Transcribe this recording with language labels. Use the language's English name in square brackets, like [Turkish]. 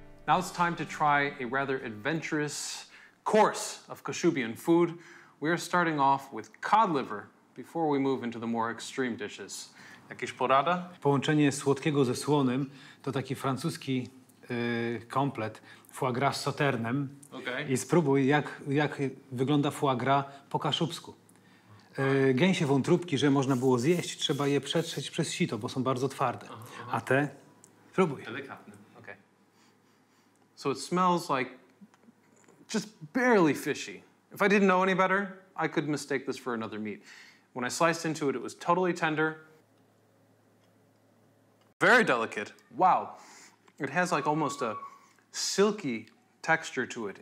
[English] Now it's time to try a rather adventurous course of Kashubian food. We are starting off with cod liver before we move into the more extreme dishes. [Polish] Jakieś porada? Połączenie słodkiego ze słonym to taki francuski komplet foie gras z soternem. Okay. I spróbuj, jak wygląda foie gras po kaszubsku. Gęsie wątróbki, że można było zjeść, trzeba je przetrzeć przez sito, bo są bardzo twarde. Uh-huh. A te? Spróbuj. Delikatne. [English] So it smells like just barely fishy. If I didn't know any better, I could mistake this for another meat. When I sliced into it, it was totally tender. Very delicate. Wow. It has like almost a silky texture to it.